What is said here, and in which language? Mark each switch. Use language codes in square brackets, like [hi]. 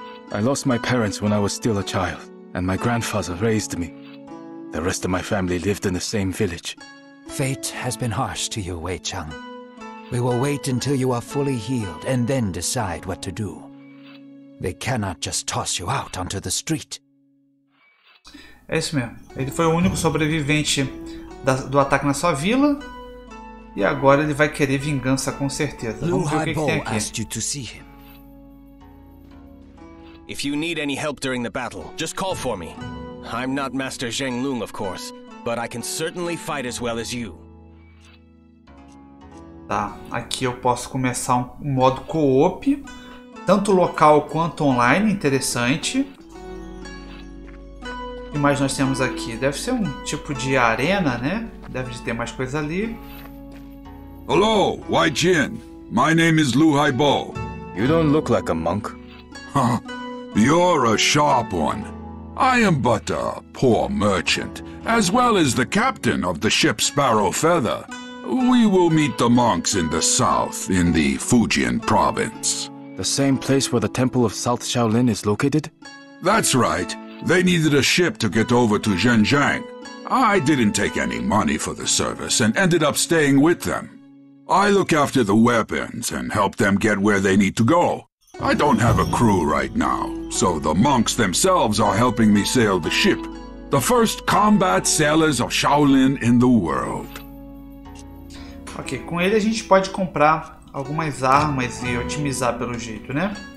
[en] I lost my parents when I was still a child, and my grandfather raised me. The rest of my family lived in the same village. Fate has been harsh to you, Wei Chung. We will wait until you are fully healed and then decide what to do. They cannot just toss you out onto the street. [pt] É isso mesmo. Ele foi o único sobrevivente do ataque na sua vila. E agora ele vai querer vingança com certeza. Vamos ver o que tem aqui. [en] Asked you to see him. If you need any help during the battle, just call for me. I'm not Master Zheng Lung, of course, but I can certainly fight as well as you. [pt] Tá, aqui eu posso começar um modo co-op, tanto local quanto online, interessante. E mais nós temos aqui, deve ser um tipo de arena, né? Deve ter mais coisa ali. [en] Hello, Wei Jin. My name is Lu Haibo. You don't look like a monk. You're a sharp one. I am but a poor merchant, as well as the captain of the ship Sparrow Feather. We will meet the monks in the south, in the Fujian province. The same place where the temple of South Shaolin is located? That's right. They needed a ship to get over to Zhenjiang. I didn't take any money for the service and ended up staying with them. I look after the weapons and help them get where they need to go. I don't have a crew right now, so the monks themselves are helping me sail the ship. The first combat sailors of Shaolin in the world. [pt] Ok, com ele a gente pode comprar algumas armas e otimizar pelo jeito, né?